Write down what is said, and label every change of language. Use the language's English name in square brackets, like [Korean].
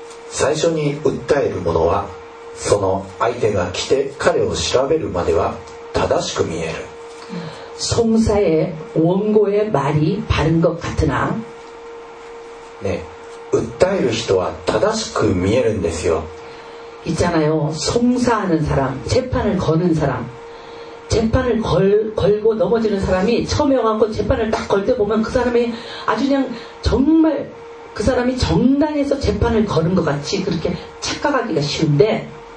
[Japanese] 最初に訴える者はその相手が来て彼を調べるまでは正しく見える [Korean] 송사의원고의말이바른것같으나 [Japanese] 네訴える人は正しく見えるんですよ [Korean] 있잖아요송사하는사람재판을거는사람재판을 걸고넘어지는사람이처음에와갖고재판을딱걸때보면그사람이아주그냥정말그사람이정당에서재판을걸은것같이그렇게착각하기가쉬운데